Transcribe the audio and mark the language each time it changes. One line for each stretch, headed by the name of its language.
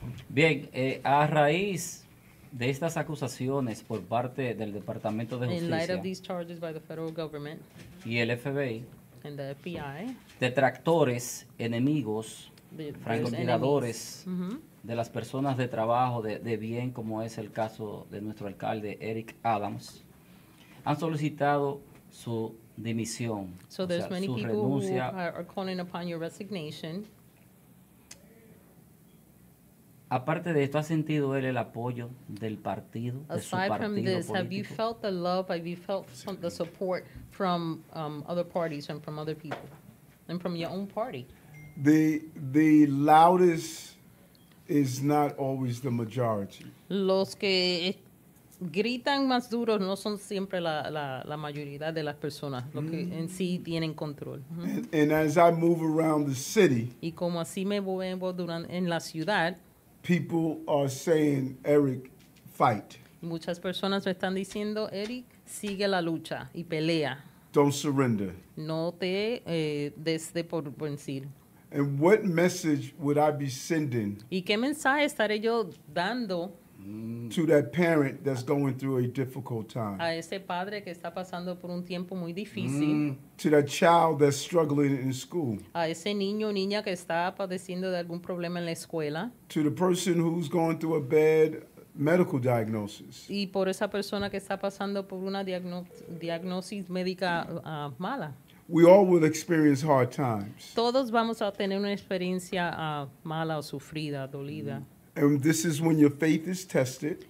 Spanish: Bien, a raíz de estas acusaciones por parte del Departamento de Justicia.
English: In light of these charges by the federal government.
Spanish: Y el FBI.
English: And the FBI.
Spanish: Detractores, enemigos, francotiradores de las personas de trabajo, de bien, como es el caso de nuestro alcalde, Eric Adams, han solicitado su dimisión.
English: So there's many people who are calling upon your resignation.
Spanish: Aparte de esto, ¿ha sentido él el apoyo del partido, de
English: aside
Spanish: su partido
English: from this,
Spanish: político?
English: Have you felt the love, have you felt the support from other parties and from other people and from your own party? The loudest is not always the majority.
Spanish: Los que gritan más duro no son siempre la mayoría de las personas, los que en sí tienen control.
English: And as I move around the city,
Spanish: y como así me muevo en la ciudad,
English: people are saying, Eric, fight.
Spanish: Muchas personas me están diciendo, Eric, sigue la lucha y pelea.
English: Don't surrender.
Spanish: No te des de por vencido.
English: And what message would I be sending?
Spanish: ¿Y qué mensaje estaré yo dando
English: to that parent that's going through a difficult time.
Spanish: A ese padre que está pasando por un tiempo muy difícil.
English: To that child that's struggling in school.
Spanish: A ese niño o niña que está padeciendo de algún problema en la escuela.
English: To the person who's going through a bad medical diagnosis.
Spanish: Y por esa persona que está pasando por una diagnosis médica mala.
English: We all will experience hard times.
Spanish: Todos vamos a tener una experiencia mala o sufrida, dolida.
English: And this is when your faith is tested.